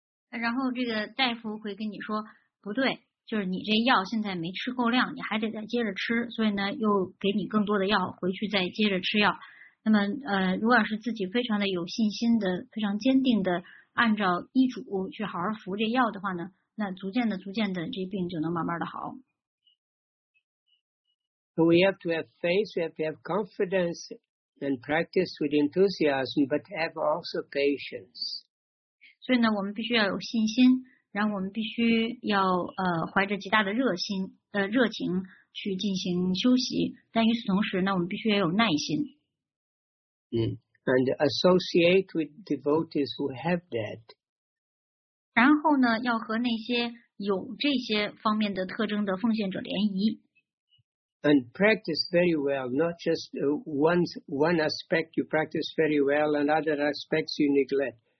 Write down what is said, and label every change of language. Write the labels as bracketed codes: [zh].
[zh] 然后这个大夫会跟你说不对。就是你这药现在没吃够量，你还得再接着吃，所以呢又给你更多的药回去再接着吃药。那么如果是自己非常的有信心的，非常坚定的按照医嘱去好好服这药的话呢，那逐渐的这病就能慢慢的好。 [en] We have to have faith, we have to have confidence and practice with enthusiasm, but have also patience. [zh] 所以呢我们必须要有信心。然后我们必须要怀着极大的热情去进行修习，但与此同时呢，我们必须要有耐心。 [en] And associate with devotees who have that. [zh] 然后呢，要和那些有这些方面的特征的奉献者联谊。 [en] And practice very well, not just one aspect you practice very well, and other aspects you neglect.